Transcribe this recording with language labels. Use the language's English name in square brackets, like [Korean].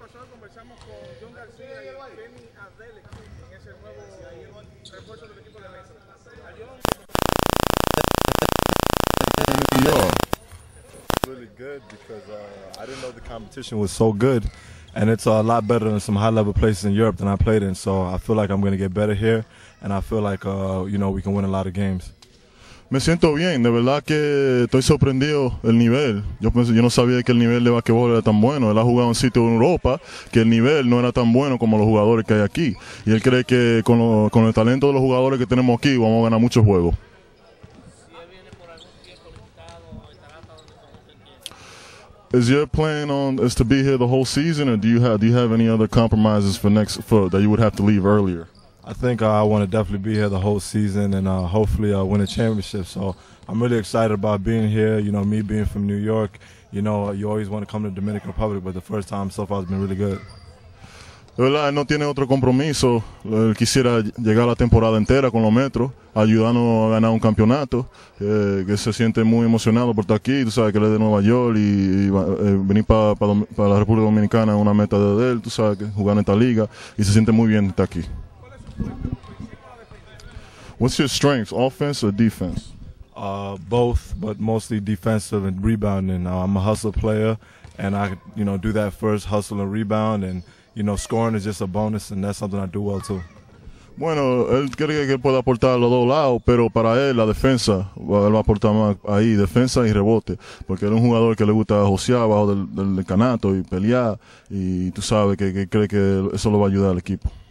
[Spanish] conversamos con John García y Femi Adeleke, quien es el nuevo refuerzo del equipo de Metro. [English] Yo, really good because I didn't know the competition was so good, and it's a lot better than some high level places in Europe than I played in. So I feel like I'm going to get better here, and I feel like you know, we can win a lot of games. Me siento bien, de verdad que estoy sorprendido el nivel. Yo no sabía que el nivel de basquetbol era tan bueno. Él ha jugado en sitios en Europa que el nivel no era tan bueno como los jugadores que hay aquí, y él cree que con el talento de los jugadores que tenemos aquí vamos a ganar muchos juegos. Is your plan on is to be here the whole season, or do you have any other compromises for that you would have to leave earlier? I think I want to definitely be here the whole season and hopefully win a championship. So I'm really excited about being here. You know, me being from New York, you know, you always want to come to the Dominican Republic, but the first time so far has been really good. [Spanish] De verdad, él no tiene otro compromiso. Él quisiera llegar la temporada entera con los Metros, ayudarnos a ganar un campeonato. Que se siente muy emocionado por estar aquí. Tú sabes que él es de Nueva York y venir para la República Dominicana es una meta de él. Tú sabes que jugar en esta liga y se siente muy bien estar aquí. [English] What's your strengths, offense or defense? Both, but mostly defensive and rebounding. I'm a hustle player, and I, you know, do that first, hustle and rebound, and you know, scoring is just a bonus, and that's something I do well too. [Spanish] Bueno, él cree que puede aportar los dos lados, pero para él la defensa, él va a aportar más ahí, defensa y rebote, porque él es un jugador que le gusta josear bajo del canato y pelear, y tú sabes que cree que eso lo va a ayudar al equipo.